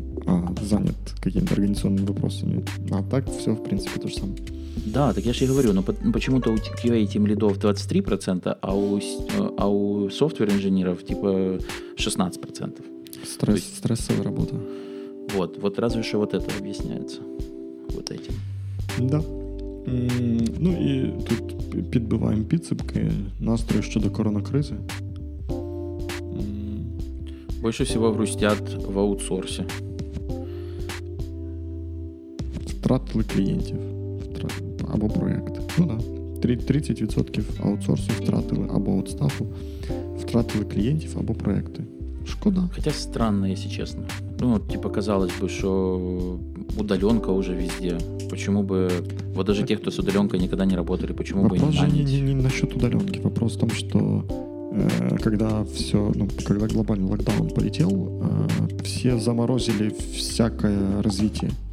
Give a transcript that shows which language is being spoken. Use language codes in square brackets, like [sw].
[ru] А, занят какими-то организационными вопросами. А так все, в принципе, то же самое. Да, так я же и говорю, но почему-то у QA Team Lead'ов 23%, а у софтвер-инженеров типа 16%. Стрессовая работа. Вот, вот разве что вот это объясняется. Вот этим. Да. [uk] Ну и тут підбиваем підсумки. Настрой щодо коронакризи. [ru] Больше всего грустят в аутсорсе. [uk] Втратили клієнтів. Або проєкт. Ну да. 30% аутсорсу втратили, або аутстафу. Втратили клієнтів або проєкти. Шкода. Хоча странно, якщо чесно. [ru] Ну, типа, казалось би, що удаленка уже везде. Почему бы. Вот даже те, хто з удаленкой никогда не работали, почему бы не нанять? Не насчет удаленки. Вопрос в том, что когда все, ну, когда глобальный локдаун полетел, все заморозили всякое развитие.